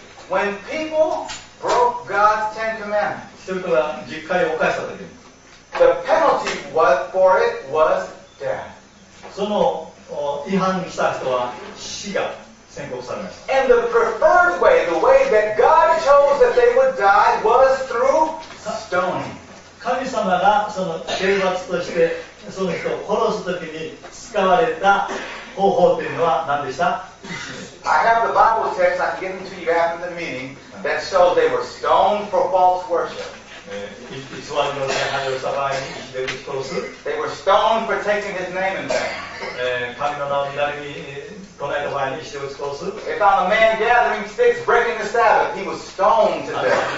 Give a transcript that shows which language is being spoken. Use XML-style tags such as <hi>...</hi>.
<en>When people broke God's Ten Commandments,</en> <ja>人々が十戒を犯した時に、</ja> <en>The penalty was for it was death.</en> <ja>その違反した人は死が宣告されました。</ja> <en>And the preferred way, the way that God chose that they would die was through</en> <ja>神様がその刑罰としてその人を殺すときに使われた方法というのは何でした</ja> <en>？I have the Bible text I can give to you after the meeting that show they were stoned for false worship.</en> <ja>偽りの礼拝をした場合に石で撃ち殺す。</ja> <en>They were stoned for taking his name in vain.</en> <ja>神の名を左に唱えた場合に石で撃ち殺す。</ja> <en>If on a man gathering sticks breaking the Sabbath, he was stoned to death.</en>